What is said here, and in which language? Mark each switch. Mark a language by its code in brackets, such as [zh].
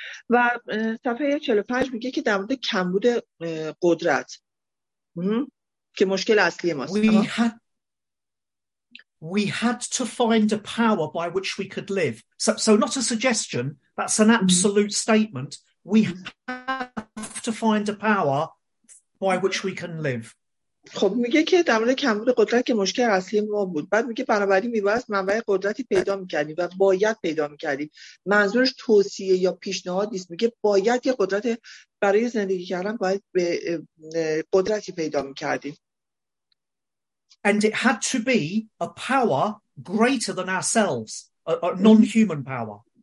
[fa] و صفحه 45 میگه که در مورد کمبود قدرت که مشکل اصلی ماست. [en] We had to find a power by which we could live. So not a suggestion. That's an absolute statement. We have to find a power by which we can live. [fa] خب میگه که در مورد کمبود قدرت که مشکل اصلی ما بود. بعد میگه بنابراین میباید منبع قدرتی پیدا میکردیم و باید پیدا میکردیم. منظورش توصیه یا پیشنهاد نیست. میگه باید یه قدرت برای زندگی کردن باید به قدرتی پیدا میکردیم. [en] And it had to be a power greater than ourselves, a non-human power.